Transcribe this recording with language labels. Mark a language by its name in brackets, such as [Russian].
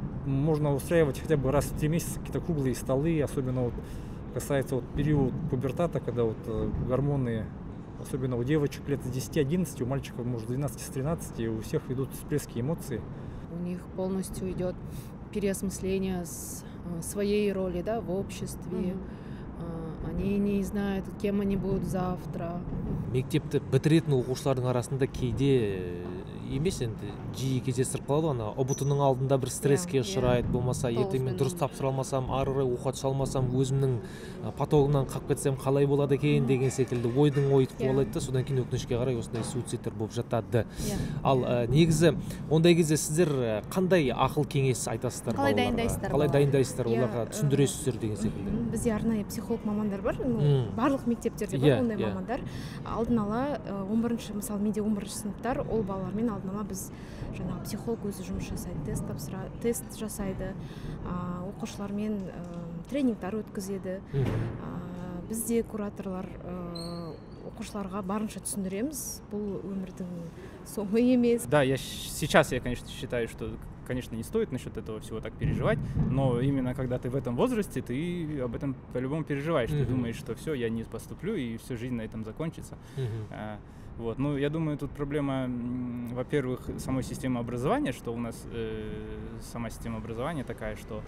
[Russian] Можно устраивать хотя бы раз в 3 месяца какие-то круглые столы, особенно вот касается вот период пубертата, когда вот гормоны, особенно у девочек лет с 10-11, у мальчиков, может, 12-13, и у всех идут всплески эмоций. У них полностью идет переосмысление своей роли, да, в обществе. Они не знают, кем они будут завтра. [Kazakh] Мектепті бітіретін оқушылардың арасында кейде емес, енді жиі кездесіп қалады, ана ұбытының алдында бір стресске ұшырайды, болмаса ертең мен дұрыс тапсыра алмасам, ары қарай оқа түсе алмасам, өзімнің потогымнан қалып кетсем қалай болады екен деген секілді ойдың ойытып қалады да, содан кейін өкінішке қарай осындай суицидтер болып жатады. Ал негізі ондай кезде сіздер қандай ақыл кеңес айтасыздар? Қалай дайындайсыздар? Оларға түсіндіресіздер деген секілді? Бізде арнайы психолог мамандар бар, барлық мектептерде бар ондай мамандар. Алдын ала 11-ші, мысалы менде 11-ші сыныптар, ол балалармен алдын ала біз жаңағы психолог өзі жұмыс жасайды, тест жасайды, оқушылармен тренингтер өткізеді. Бізде кураторлар оқушыларға барынша түсіндіреміз, бұл өмірдің соңы емес. [Russian] Да, я конечно, считаю, что, конечно, не стоит насчет этого всего так переживать, но именно когда ты в этом возрасте, ты об этом по-любому переживаешь. Ты думаешь, что все, я не поступлю, и всю жизнь на этом закончится. Вот. Ну, я думаю, тут проблема, во-первых, самой системы образования, что у нас сама система образования такая, что...